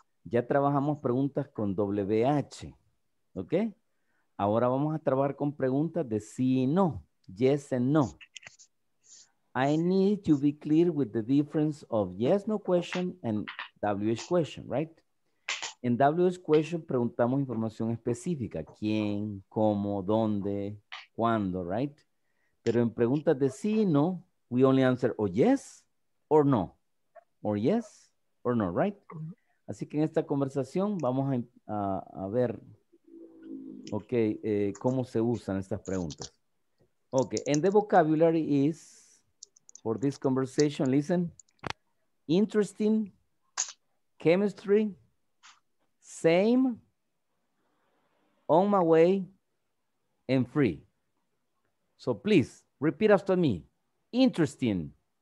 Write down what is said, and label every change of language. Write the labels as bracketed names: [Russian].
[Spanish] Ya trabajamos preguntas con WH, ¿ok? Ahora vamos a trabajar con preguntas de sí y no, yes and no. [English] I need to be clear with the difference of yes, no question and WH question, right? [Spanish] En WH question preguntamos información específica, quién, cómo, dónde, cuándo, right? Pero en preguntas de sí y no, [English] we only answer o yes or no, or yes or no, right? [Spanish] Así que en esta conversación vamos a ver, ok, cómo se usan estas preguntas. [English] Ok, and the vocabulary is, for this conversation, listen, interesting, chemistry, same, on my way, and free. So please, repeat after me, interesting.